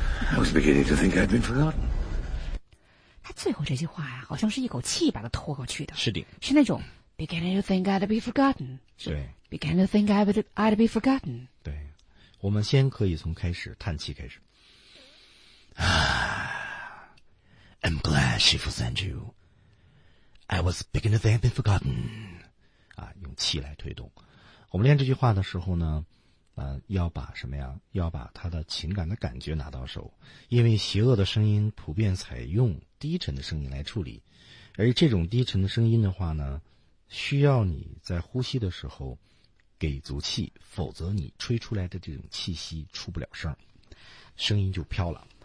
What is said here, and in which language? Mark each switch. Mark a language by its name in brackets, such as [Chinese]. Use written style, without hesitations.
[English] I was beginning to think I'd been forgotten. [Chinese] 他最后这句话呀，好像是一口气把它拖过去的。是的，是那种 [English] beginning to think I'd be forgotten。 [Chinese] 对 [English] ，beginning to think I'd be forgotten。 [Chinese] 对，我们先可以从开始叹气开始。 [English] I'm glad Shifu sent you. I was beginning to think I'd been forgotten. [Chinese] 啊，用气来推动。我们练这句话的时候呢，要把什么呀？要把他的情感的感觉拿到手，因为邪恶的声音普遍采用低沉的声音来处理，而这种低沉的声音的话呢，需要你在呼吸的时候给足气，否则你吹出来的这种气息出不了声，声音就飘了。